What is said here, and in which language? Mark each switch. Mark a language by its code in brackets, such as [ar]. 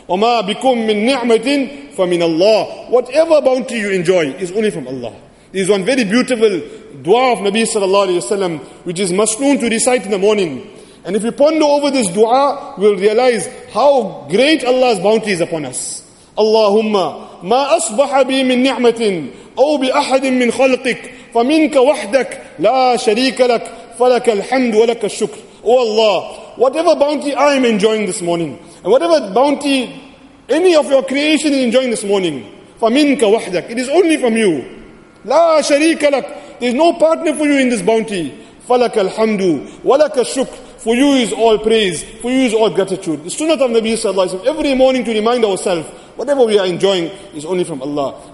[ar] وَمَا بِكُم مِّن نِعْمَةٍ فَمِنَ اللَّهِ. [en] Whatever bounty you enjoy is only from Allah. This is one very beautiful dua of Nabi sallallahu alayhi wa sallam, which is masnoon to recite in the morning. And if we ponder over this dua, we'll realize how great Allah's bounty is upon us. [ar] Allahumma, ما أصبح بي من نعمة أو بأحد من خلقك فمنك وحدك لا شريك لك فلك الحمد ولك الشكر. [en] Oh Allah, whatever bounty I am enjoying this morning, and whatever bounty any of your creation is enjoying this morning, [ar] فمنك وحدك, [en] it is only from you. [ar] لا شريك لك, [en] there is no partner for you in this bounty. [ar] فلك الحمد ولك الشكر. [en] For you is all praise, for you is all gratitude. The sunnah of Nabi sallallahu alayhi wa sallam, every morning to remind ourselves, whatever we are enjoying is only from Allah.